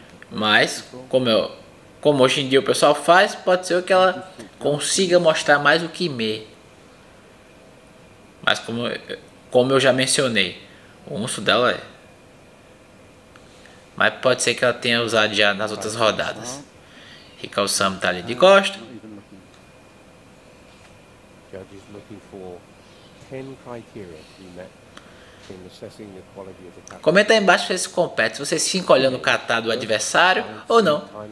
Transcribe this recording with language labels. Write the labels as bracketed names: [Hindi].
[Portuguese] Mas, como hoje em dia o pessoal faz, pode ser que ela consiga mostrar mais o Kimê. Mas, como eu já mencionei, o urso dela é. Mas pode ser que ela tenha usado já nas outras rodadas. Rika Osami tá ali de costa. [English] Judges looking for 10 criteria to be met in assessing the quality of the catar. [Portuguese] Comenta aí embaixo se compete, se vocês ficam olhando o catar do adversário ou não.